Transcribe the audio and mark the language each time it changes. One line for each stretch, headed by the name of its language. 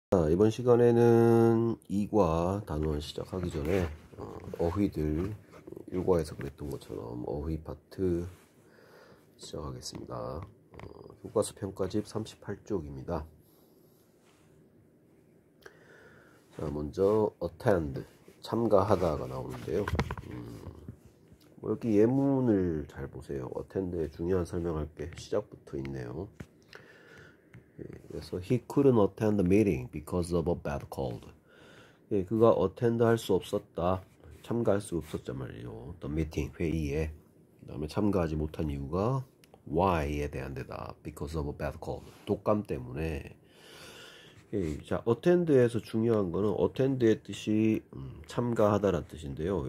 Korean: 이번 시간에는 이과 단원 시작하기 전에 어휘들 일과에서 그랬던 것처럼 어휘 파트 시작하겠습니다. 교과서 평가집 38쪽입니다. 자, 먼저 attend 참가하다가 나오는데요. 뭐 여기 예문을 잘 보세요. attend의 중요한 설명할게 시작부터 있네요. 그래서
English: he couldn't attend the meeting because of a bad cold.
Korean: 예, 그가 attend 할수 없었다. 참가할 수 없었단 말이죠.
English: the meeting
Korean: 회의에. 그다음에 참가하지 못한 이유가 why에 대한 대답.
English: because of a bad cold.
Korean: 독감 때문에. 예, 자, attend에서 중요한 거는 attend의 뜻이 참가하다란 뜻인데요.